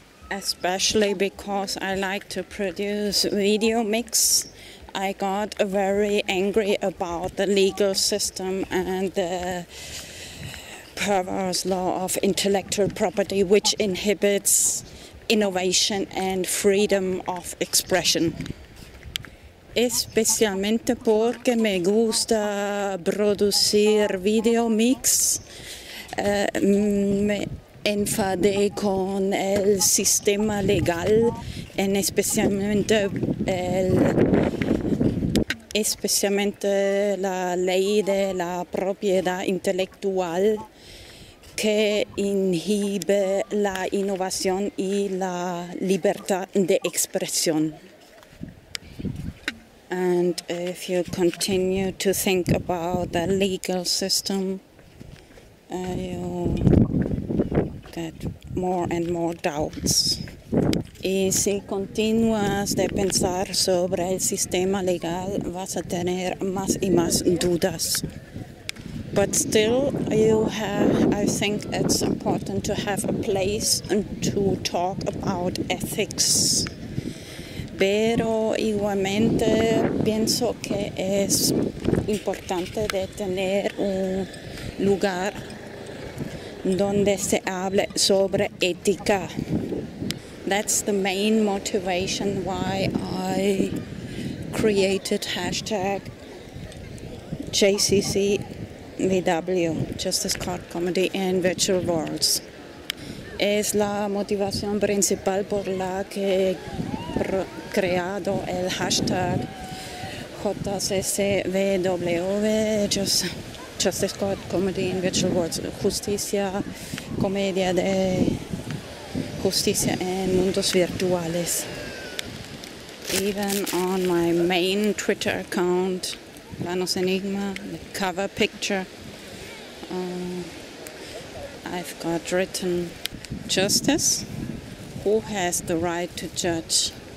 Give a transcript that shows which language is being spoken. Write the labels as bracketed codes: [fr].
[en] Especially because I like to produce video mix, I got very angry about the legal system and the perverse law of intellectual property, which inhibits innovation and freedom of expression. [es] Especialmente porque me gusta producir video mix, me enfadé con el sistema legal, en especialmente la ley de la propiedad intelectual que inhibe la innovación y la libertad de expresión. [en] And if you continue to think about the legal system, you get more and more doubts. [es] Y si continúas de pensar sobre el sistema legal, vas a tener más y más dudas. [en] But still, I think it's important to have a place to talk about ethics. [es] Pero igualmente pienso que es importante de tener un lugar donde se hable sobre ética. [en] That's the main motivation why I created hashtag JCCVW, Justice Court Comedy in Virtual Worlds. [es] Es la motivación principal por la que creado el hashtag JCCVW, Justice Court Comedy in Virtual Worlds, justicia, comedia de justicia en mundos virtuales. [en] Even on my main Twitter account, Planos Enigma, the cover picture, I've got written justice, who has the right to judge?